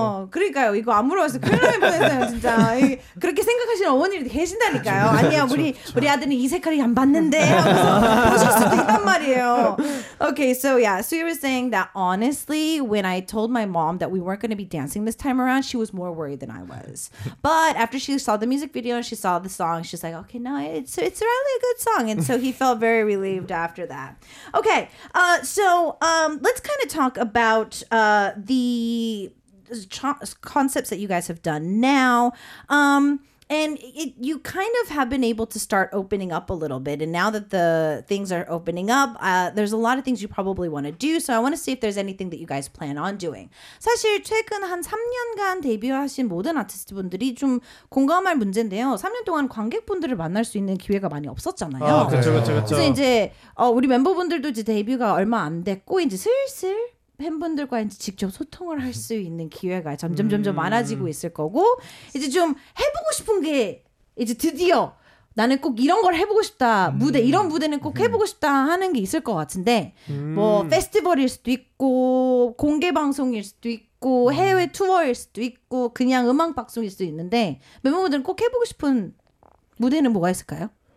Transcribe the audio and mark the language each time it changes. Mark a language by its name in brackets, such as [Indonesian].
[Korean] 그러니까요 이거 아무로 해서 큰일 날 뻔했어요 진짜. 그렇게 생각하시는 어머니도 계신다니까요. 아니야 우리 아들은 이 색깔이 안 봤는데 하면서 보실 수도 있단 말이에요. [English] Okay, so yeah, so you were saying that honestly when I told my mom that we weren't going to be dancing this time around, she was more worried than I was. But after she saw the music video and she saw the song, she's like, okay, no, it's really a good song. And so he felt very relieved after that. Okay, so let's kind of talk about the concepts that you guys have done now. You kind of have been able to start opening up a little bit. And now that the things are opening up, there's a lot of things you probably want to do. So I want to see if there's anything that you guys plan on doing. [Korean] 사실 최근 한 3년간 데뷔하신 모든 아티스트분들이 좀 공감할 문제인데요. 3년 동안 관객분들을 만날 수 있는 기회가 많이 없었잖아요. 그렇죠. 그래서 이제 우리 멤버분들도 이제 데뷔가 얼마 안 됐고 이제 슬슬 팬분들과 이제 직접 소통을 할 수 있는 기회가 점점 많아지고 있을 거고 이제 좀 해보고 싶은 게 이제 드디어 나는 꼭 이런 걸 해보고 싶다 무대 이런 무대는 꼭 해보고 싶다 하는 게 있을 것 같은데 뭐 페스티벌일 수도 있고 공개 방송일 수도 있고 해외 투어일 수도 있고 그냥 음악 방송일 수도 있는데 멤버분들은 꼭 해보고 싶은 무대는 뭐가 있을까요?